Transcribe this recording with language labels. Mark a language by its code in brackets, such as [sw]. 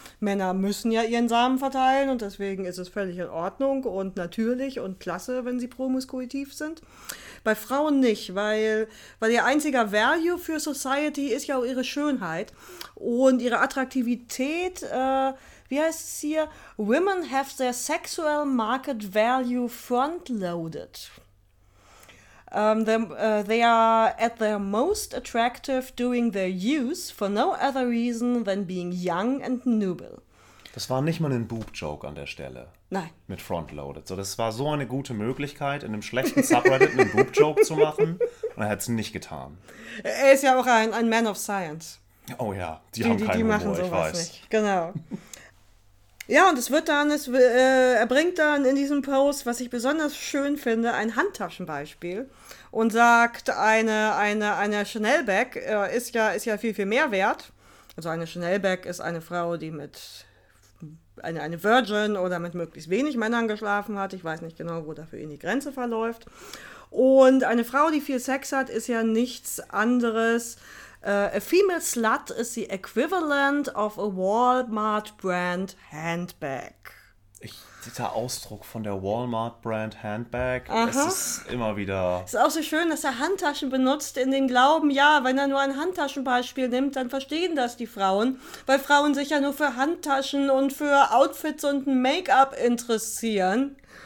[de] Männer müssen ja ihren Samen verteilen und deswegen ist es völlig in Ordnung und natürlich und klasse, wenn sie promiskuitiv sind. Bei Frauen nicht, weil ihr einziger [en] Value [de] für [en] Society [de] ist ja auch ihre Schönheit und ihre Attraktivität. Wie heißt es hier? [en] Women have their sexual market value front-loaded. They are at their most attractive during their youth for no other reason than being young and noble. [de] Das war nicht mal ein Boob-Joke an der Stelle. Nein. Mit front-loaded. So, das war so eine gute Möglichkeit, in einem schlechten Subreddit einen Boob-Joke zu machen. Und er hat es nicht getan. Er ist ja auch ein [en] Man of Science. [de] Oh ja, die haben keinen Humor, machen sowas ich weiß. Nicht. Genau. Ja, und es wird dann, er bringt dann in diesem Post, was ich besonders schön finde, ein Handtaschenbeispiel und sagt, eine Chanel-Bag ist ja viel, viel mehr wert. Also eine Chanel-Bag ist eine Frau, die mit eine Virgin oder mit möglichst wenig Männern geschlafen hat. Ich weiß nicht genau, wo dafür in die Grenze verläuft. Und eine Frau, die viel Sex hat, ist ja nichts anderes. [en] A female slut is the equivalent of a Walmart brand handbag. [de] Dieser Ausdruck von der [en] Walmart brand handbag, [de] aha, es ist immer wieder... Es ist auch so schön, dass er Handtaschen benutzt in dem Glauben, ja, wenn er nur ein Handtaschenbeispiel nimmt, dann verstehen das die Frauen, weil Frauen sich ja nur für Handtaschen und für Outfits und Make-up interessieren.